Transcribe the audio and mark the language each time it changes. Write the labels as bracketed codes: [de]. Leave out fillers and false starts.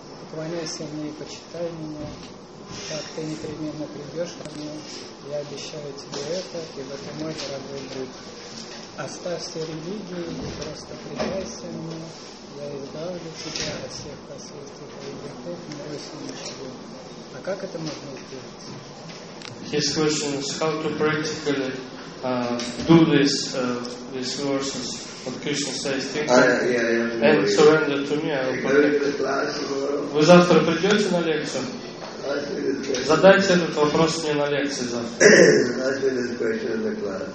[ru] Поклоняйся мне и почитай меня. Так ты непременно придешь ко мне. Я обещаю тебе это, ибо ты мой дорогой друг. Оставь все религии и просто предайся мне. Я избавлю тебя от всех последствий твоих грехов, не бойся ничего. А как это можно сделать? [en] His question is how to practically do this, these verses, what Krishna says, think and surrender to me. [ru] Вы завтра придете на лекцию? Задайте этот вопрос мне на лекции завтра.